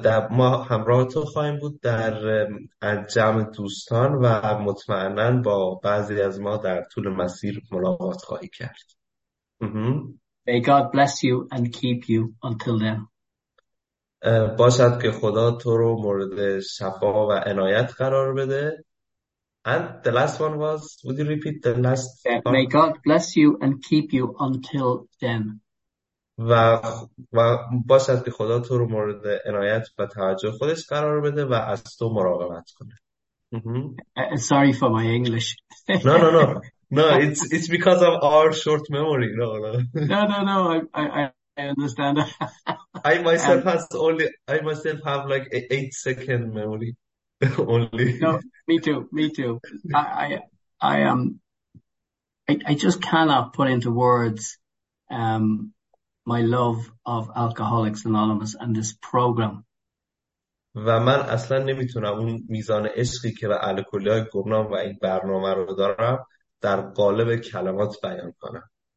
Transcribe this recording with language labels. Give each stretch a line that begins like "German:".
Persian: ما همراه تو خواهیم بود در جمع دوستان و مطمئناً با بعضی از ما در طول مسیر ملاقات خواهی کرد.
English: May God bless you and keep you until then.
Persian: باشد که خدا تو رو مورد شفا و عنایت قرار بده.
English: And the last one was, would you repeat the last one? May God bless you and keep you until then.
Persian: و باشد که خدا تو رو مورد عنایت و توجه خودش قرار بده و از تو مراقبت کنه.
English: Sorry for my English. No, no, no. No, it's because of our short memory. No, I understand. I myself And has only I myself have like 8 second memory only. no, me too, me too. I just cannot put into words my love of Alcoholics Anonymous and this program.
Persian: و من اصلا نمیتونم اون میزان عشقی که به الکلی های گمنام و این برنامه رو دارم در قالب کلمات بیان کنم.